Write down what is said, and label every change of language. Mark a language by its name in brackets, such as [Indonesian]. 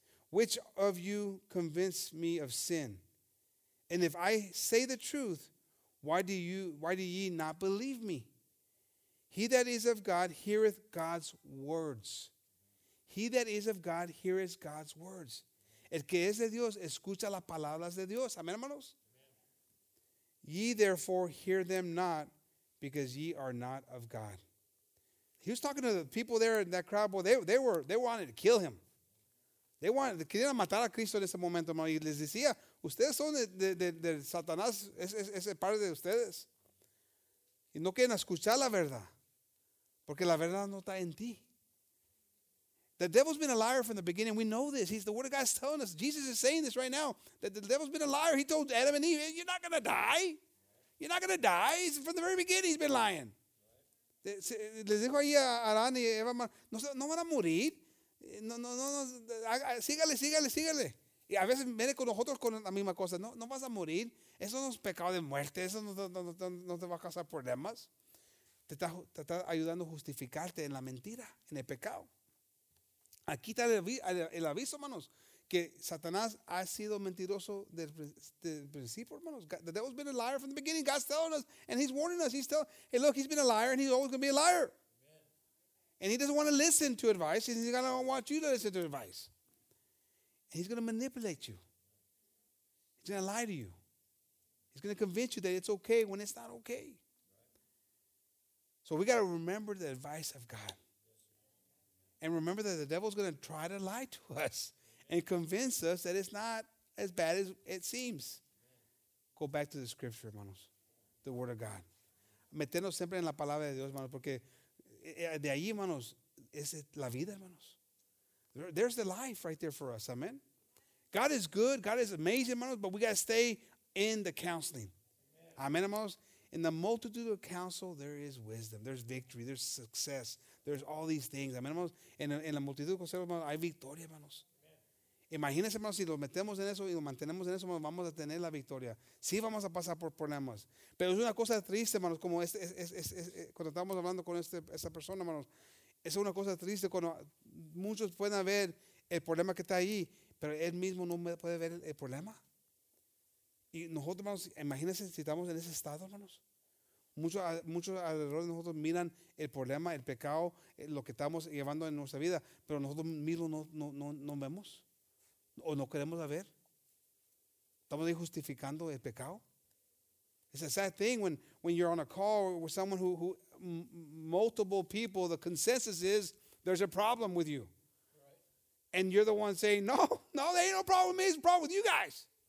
[English] Which of you convince me of sin? And if I say the truth, why do ye not believe me? He that is of God heareth God's words. He that is of God heareth God's words. [Spanish] El que es de Dios escucha las palabras de Dios. Amen, hermanos. [English] Ye therefore hear them not, because ye are not of God. He was talking to the people there in that crowd. Boy, they wanted to kill him. [Spanish] Querían matar a Cristo en ese momento, hermano. Y les decía, ustedes son de Satanás, es parte de ustedes. Y no quieren escuchar la verdad, porque la verdad no está en ti. [English] The devil's been a liar from the beginning. We know this. The word of God is telling us. Jesus is saying this right now. That the devil's been a liar. He told Adam and Eve, you're not going to die. You're not going to die. He's, from the very beginning, he's been lying. [Spanish] Les dijo ahí a Adán y Eva, no van a morir. No. Sígale. Y a veces viene con nosotros con la misma cosa. No vas a morir. Eso no es pecado de muerte. Eso no te va a causar problemas. Te está ayudando a justificarte en la mentira, en el pecado. Aquí está el aviso, hermanos, que Satanás ha sido mentiroso desde el principio, hermanos. [English] The devil's been a liar from the beginning. God's telling us, and he's warning us. He's telling, hey, look, he's been a liar, and he's always going to be a liar. Amen. And he doesn't want to listen to advice. He's going to want you to listen to advice. And he's going to manipulate you. He's going to lie to you. He's going to convince you that it's okay when it's not okay. So we got to remember the advice of God. And remember that the devil's going to try to lie to us and convince us that it's not as bad as it seems. Go back to the scripture, hermanos, the word of God. [Spanish] Meternos siempre en la palabra de Dios, hermanos, porque de ahí, hermanos, es la vida, hermanos. [English] There's the life right there for us, amen? God is good, God is amazing, hermanos, but we got to stay in the counseling. Amen, hermanos? In the multitude of counsel, there is wisdom, there's victory, there's success. There's all these things. [Spanish] Amen, hermanos. En la multitud, hermanos, hay victoria, hermanos. Imagínense, hermanos, si lo metemos en eso y lo mantenemos en eso, hermanos, vamos a tener la victoria. Sí vamos a pasar por problemas. Pero es una cosa triste, hermanos, como cuando estábamos hablando con esta persona, hermanos. Es una cosa triste cuando muchos pueden ver el problema que está ahí, pero él mismo no puede ver el problema. Y nosotros, hermanos, imagínense si estamos en ese estado, hermanos. Muchos alrededor de nosotros miran el problema, el pecado, lo que estamos llevando en nuestra vida, pero nosotros mismos no vemos o no queremos ver. Estamos ahí justificando el pecado. [English] It's a sad thing when you're on a call with someone who multiple people, the consensus is there's a problem with you. Right. And you're the one saying, no, there ain't no problem with me, it's a problem with you guys.